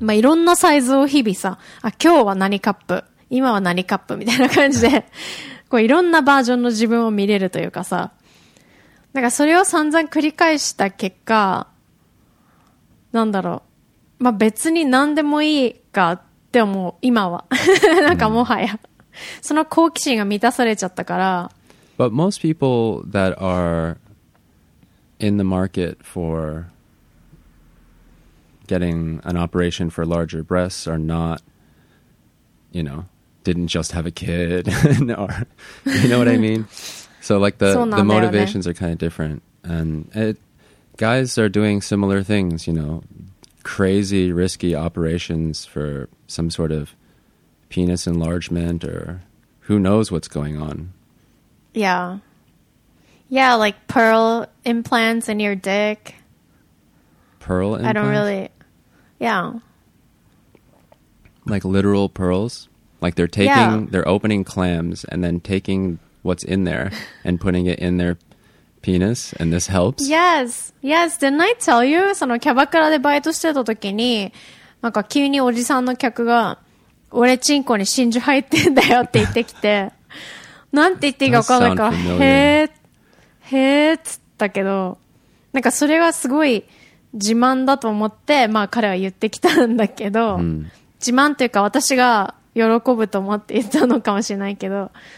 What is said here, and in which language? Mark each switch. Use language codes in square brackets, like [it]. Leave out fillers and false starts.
[ja] まあ、いろんなサイズを日々さ、あ、今日は何カップ、今は何カップ、みたいな感じで、こういろんなバージョンの自分を見れるというかさ、なんかそれを散々繰り返した結果、なんだろう、まあ、別に何でもいいかって思う、今は。なんかもはや、その好奇心が満たされちゃったから。 [en] But most people that are in the market for getting an operation for larger breasts are not, you know, didn't just have a kid, or, you know what I mean? So like the motivations are kind of different. And it, guys are doing similar things, you know, crazy risky operations for some sort of penis enlargement or who knows what's going on. Yeah. Yeah, like pearl implants in your dick. Pearl implants? I don't really... Yeah. Like literal pearls? Like they're taking, yeah. They're opening clams and then taking... What's in there and putting it in their penis and this helps? Yes, yes. Didn't I tell you? [ja] そのキャバクラでバイトしてた時に、なんか急におじさんの客が、俺チンコに真珠入ってんだよって言ってきて、なんて言っていいか分からないから、へーっつったけど、なんかそれはすごい自慢だと思って、まあ彼は言ってきたんだけど、自慢というか私が喜ぶと思って言ったのかもしれないけど。